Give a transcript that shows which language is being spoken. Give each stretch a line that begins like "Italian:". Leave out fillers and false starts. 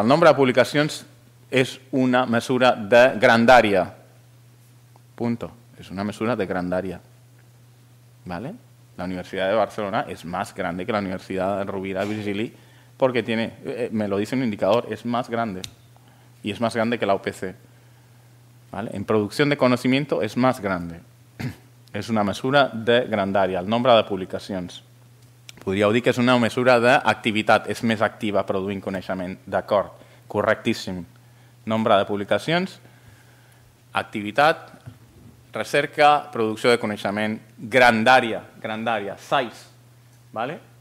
Catalan: El nombre de publicacions és una mesura de grandària. Punto. És una mesura de grandària. ¿Vale? La Universitat de Barcelona és més gran que la Universitat Rovira Virgili perquè
Spanish: tiene, me lo dice un indicador,
Catalan: és més gran. I és més gran que la UPC. ¿Vale?
Spanish: En producción de conocimiento es más grande.
Catalan: Es una mesura de grandària, el nombre de publicacions. Podríeu dir que és una mesura d'activitat, és més activa produint coneixement. D'acord, correctíssim. Nombre de publicacions, activitat, recerca, producció de coneixement, grandària, size. ¿Vale?